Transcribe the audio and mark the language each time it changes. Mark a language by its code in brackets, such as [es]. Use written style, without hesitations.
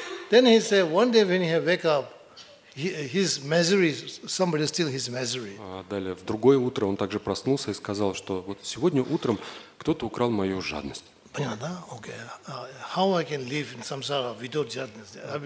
[en] Then he said, one day when he wake up, his misery, somebody steal his misery. [ru] Далее в другое утро он также проснулся и сказал, что вот сегодня утром кто-то украл мою жадность. Понятно, [en] okay. How I can live in samsara without jadness?